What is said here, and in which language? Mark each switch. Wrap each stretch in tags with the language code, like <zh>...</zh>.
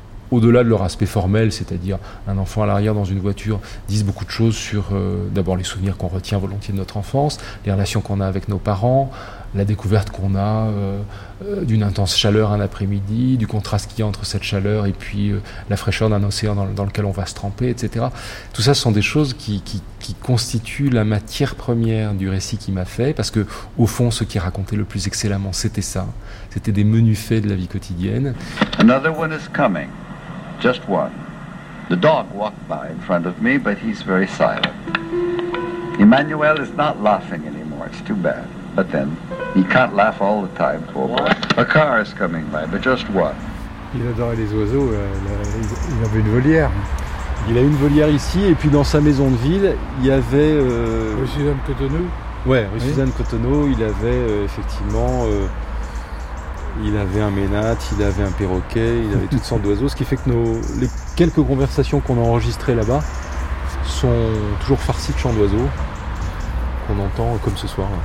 <fr>au-delà de leur aspect formel, c'est-à-dire un enfant à l'arrière dans une voiture, disent beaucoup de choses sur d'abord les souvenirs qu'on retient volontiers de notre enfance, les relations qu'on a avec nos parents, la découverte qu'on a d'une intense chaleur un après-midi, du contraste qu'il y a entre cette chaleur et puis la fraîcheur d'un océan dans lequel on va se tremper, etc. Tout ça, ce sont des choses qui constituent la matière première du récit qui m'a fait, parce que au fond, ce qui racontait le plus excellemment, c'était ça. C'était des menus faits de la vie quotidienne.</fr> <en>Another one is coming. Just one. The dog walked by in front of me, but he's very silent. Emmanuel is not laughing anymore. It's too bad. But then, he can't laugh all the time, poor boy. A car is coming by, but just one.</en> <fr>Il adorait les oiseaux. Il avait une volière. Il a une volière ici, et puis dans sa maison de ville, il y avait. Rue Suzanne Cotonneau. Ouais, Rue Suzanne Cotonneau. Il avait effectivement. Il avait un ménat, il avait un perroquet, il avait toutes sortes d'oiseaux, ce qui fait que les quelques conversations qu'on a enregistrées là-bas sont toujours farcies de chants d'oiseaux qu'on entend comme ce soir.</fr>